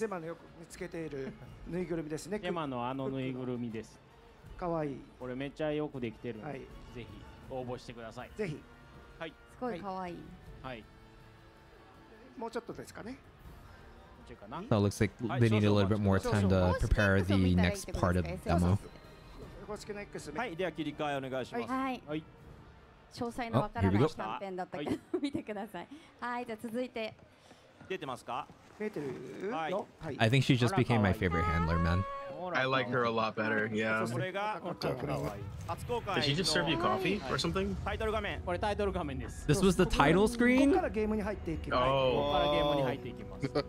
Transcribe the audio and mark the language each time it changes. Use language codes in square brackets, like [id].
[ja] ジェマのよく見つけているぬいぐるみですね。ジェマのあのぬいぐるみです。かわいい。これめっちゃよくできてるんで、はい、ぜひ応募してください。ぜひ、はい、すごいかわいい、はい、もうちょっとですかね。ちょっとかな。 [en] That looks like they need a little bit more time to prepare the next part of the demo。 [ja] 公式の X、はい、では切り替えお願いします。はい、はい、詳細のわからないキャンペーンだったか、はい、見てください。はい、じゃ続いて出てますか？出てる。はい。 [en] I think she just became my favorite handler, man. I like her a lot better. Yeah. [ja] これが初公開。 [en] Did she just serve you coffee or something? [ja] タイトル画面。これタイトル画面です。 [en] This was the title screen? [ja] ここからゲームに入っていきます。ここからゲームに入っていきます。